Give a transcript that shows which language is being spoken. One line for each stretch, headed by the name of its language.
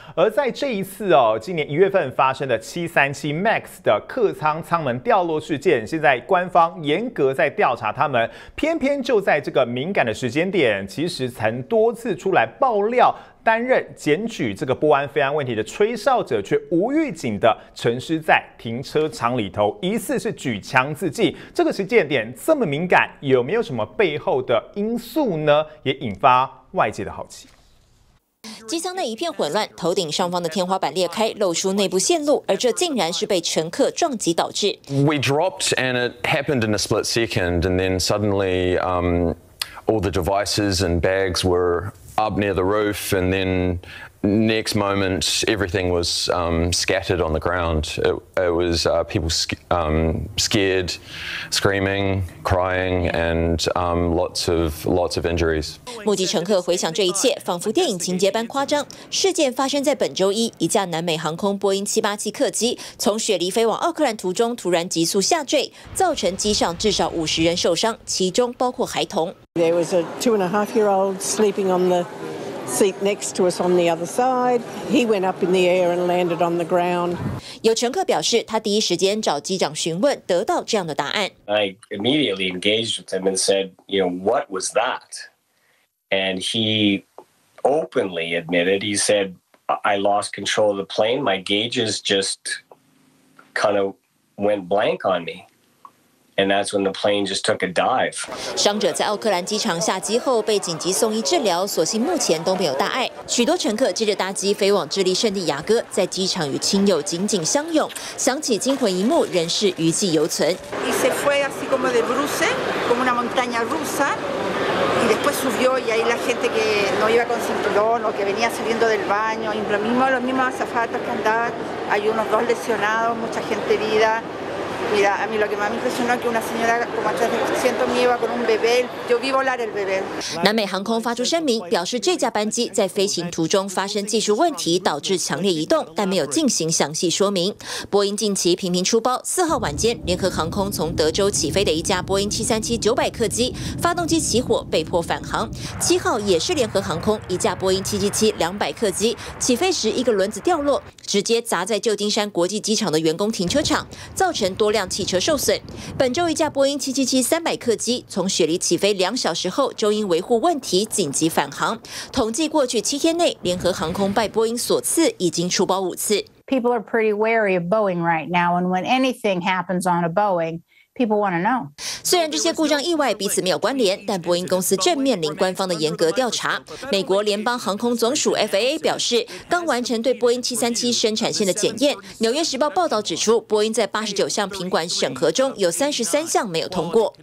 Chinese: 而在这一次今年1月份发生的737 MAX 的客舱舱门掉落事件，现在官方严格在调查他们，偏偏就在这个敏感的时间点，其实曾多次出来爆料担任检举这个波安飞安问题的吹哨者，却无预警的沉尸在停车场里头，疑似是举枪自尽。这个时间点这么敏感，有没有什么背后的因素呢？也引发外界的好奇。机舱内一片混乱，头顶上方的天花板裂开，露出内部线路，而这竟然是被乘客撞击导致。
English: We dropped and it happened in a split second, and then suddenly, all the devices and bags were. Up near the roof, and then next moment everything was scattered on the ground. It was people scared, screaming, crying, and lots of injuries.
Chinese: 目击乘客回想这一切，仿佛电影情节般夸张。事件发生在本周一，一架南美航空波音787客机从雪梨飞往奥克兰途中突然急速下坠，造成机上至少50人受伤，其中包括孩童。
English: There was a 2.5-year-old sleeping on the seat next to us on the other side. He went up in the air and landed on the ground.
Chinese: 有乘客表示，他第一时间找机长询问，得到这样的答案。
English: I immediately engaged with him and said, you know, what was that? And he openly admitted, he said, I lost control of the plane. My gauges just kind of went blank on me. And that's when the plane just took a dive.
Chinese: 伤者在奥克兰机场下机后被紧急送医治疗，所幸目前都没有大碍。许多乘客接着搭机飞往智利圣地亚哥，在机场与亲友紧紧相拥，想起惊魂一幕，仍是余悸犹存。
Spanish: Y se fue así como de bruce, como una montaña rusa, y después subió y ahí la gente que no iba con cinturón o que venía saliendo del baño, y los mismos azafatas que andaban, hay unos 2 lesionados, mucha gente herida. Mira, a mí lo que más me impresionó es que una señora como 800 mil iba con un bebé. Yo vi volar el bebé.
Chinese: 南美航空发出声明，表示这架班机在飞行途中发生技术问题，导致强烈移动，但没有进行详细说明。波音近期频频出包，四号晚间，联合航空从德州起飞的一架波音737-900客机发动机起火，被迫返航。七号也是联合航空一架波音777-200客机起飞时，一个轮子掉落，直接砸在旧金山国际机场的员工停车场，造成多辆汽车受损。本周一架波音777-300客机从雪梨起飞两小时后，就因维护问题紧急返航。统计过去七天内，联合航空拜波音所赐，已经出包五次。
English: People are pretty wary of Boeing right now, and when anything happens on a Boeing. People want to know.
Chinese: 虽然这些故障意外彼此没有关联，但波音公司正面临官方的严格调查。美国联邦航空总署 FAA 表示，刚完成对波音737生产线的检验。纽约时报报道指出，波音在89项品管审核中有33项没有通过。